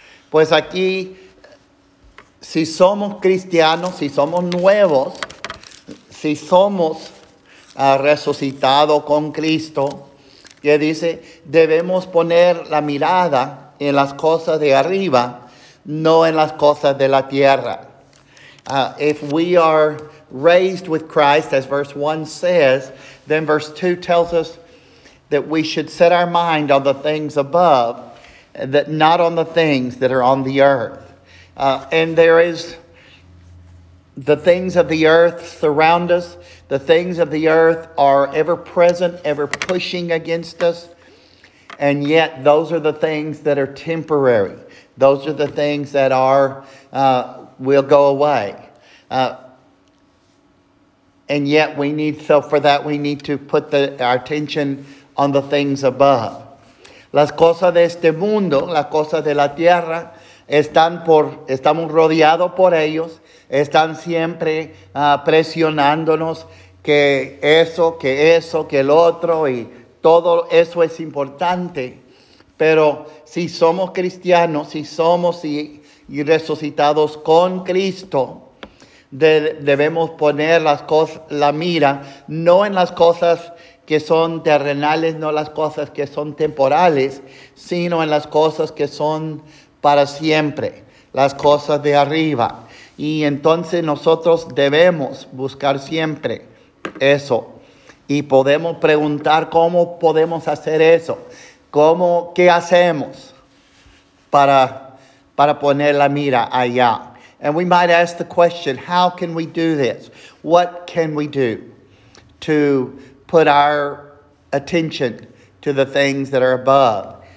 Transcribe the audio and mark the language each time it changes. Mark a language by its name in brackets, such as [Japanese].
[Spanish] Pues aquí, si somos cristianos, si somos nuevos, si somos resucitado con Cristo, que dice, debemos poner la mirada en las cosas de arriba, no en las cosas de la tierra. [English] If we are raised with Christ, as verse 1 says, then verse 2 tells us that we should set our mind on the things above, that not on the things that are on the earth. And there is the things of the earth surround us. The things of the earth are ever present, ever pushing against us. And yet those are the things that are temporary. Those are the things that are will go away. And yet we need, so for that we need to put our attention on the things above. [Spanish] Las cosas de este mundo, las cosas de la tierra, estamos rodeados por ellos, están siempre presionándonos que eso, que el otro, y todo eso es importante. Pero si somos cristianos, si somos y resucitados con Cristo, debemos poner la mira no en las cosas que son terrenales, no las cosas que son temporales, sino en las cosas que son para siempre, las cosas de arriba. Y entonces nosotros debemos buscar siempre eso. Y podemos preguntar cómo podemos hacer eso, qué hacemos para poner la mira allá. [English] And we might ask the question, how can we do this? What can we do to put our attention to the things that are above?